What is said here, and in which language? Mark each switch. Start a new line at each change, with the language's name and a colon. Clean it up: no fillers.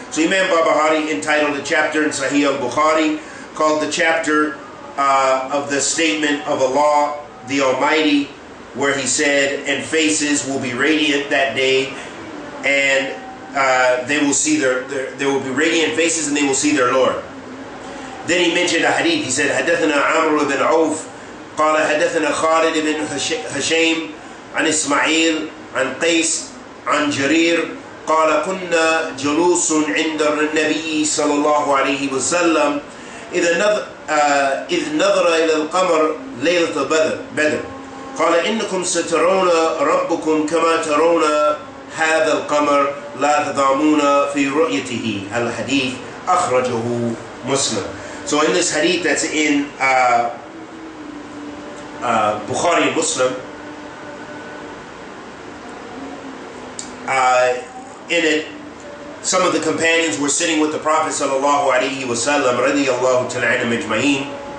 English: So Imam Babahari entitled the chapter in Sahih al-Bukhari called the chapter of the statement of Allah the Almighty, where he said, and faces will be radiant that day, and they will see there will be radiant faces and they will see their Lord. Then he mentioned a hadith. He said,
Arabic: حَدَثَنَا عَمْرُ بِنْ عَوْفْ قَالَ حَدَثَنَا خَالِدِ بِنْ هَشَيْمِ عن إسماعيل عن قيس عن جرير قال كنا جلوس عند النبي صلى الله عليه وسلم إذ نظر إلى القمر ليلة بدر قال إنكم سترون ربكم كما ترون هذا القمر لا تضامون في رؤيته. الحديث أخرجه مسلم.
English: So in this hadith that's in Bukhari and Muslim, in it, some of the companions were sitting with the Prophet sallallahu alaihi wasallam, radiyallahu ta'ala anhu majma'in.